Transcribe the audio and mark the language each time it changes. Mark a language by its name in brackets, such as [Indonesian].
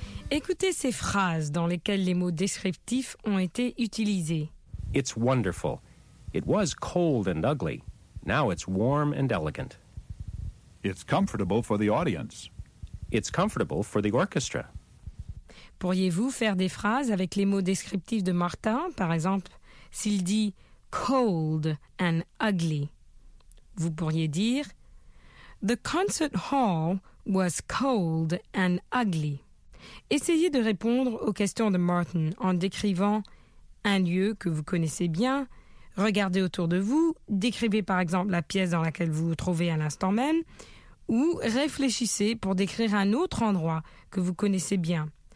[French] Écoutez ces phrases dans lesquelles les mots descriptifs ont été utilisés. [English] It's wonderful. It was cold and ugly. Now it's warm and elegant. It's comfortable for the audience. It's comfortable for the orchestra. [French] Pourriez-vous faire des phrases avec les mots descriptifs de Martin, par exemple, s'il dit cold and ugly? Vous pourriez dire, the concert hall was cold and ugly. Essayez de répondre aux questions de Martin en décrivant un lieu que vous connaissez bien. Regardez autour de vous, décrivez par exemple la pièce dans laquelle vous vous trouvez à l'instant même, ou réfléchissez pour décrire un autre endroit que vous connaissez bien.